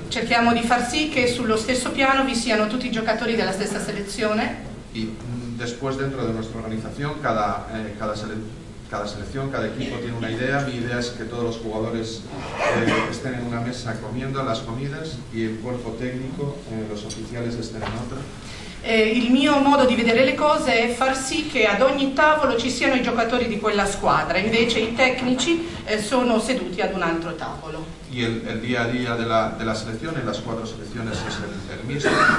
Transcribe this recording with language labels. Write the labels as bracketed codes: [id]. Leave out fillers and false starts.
[it] Cerchiamo di far sì che sullo stesso piano vi siano tutti i giocatori della stessa selezione. [es] Y después dentro de nuestra organización cada selección, cada equipo tiene una idea. Mi idea es que todos los jugadores estén en una mesa comiendo las comidas y el cuerpo técnico, los oficiales estén en otra. [it] Il mio modo di vedere le cose è far sì che ad ogni tavolo ci siano i giocatori di quella squadra, invece i tecnici sono seduti ad un altro tavolo. [es] Y el día a día de la selección, en las cuatro selecciones es el mismo.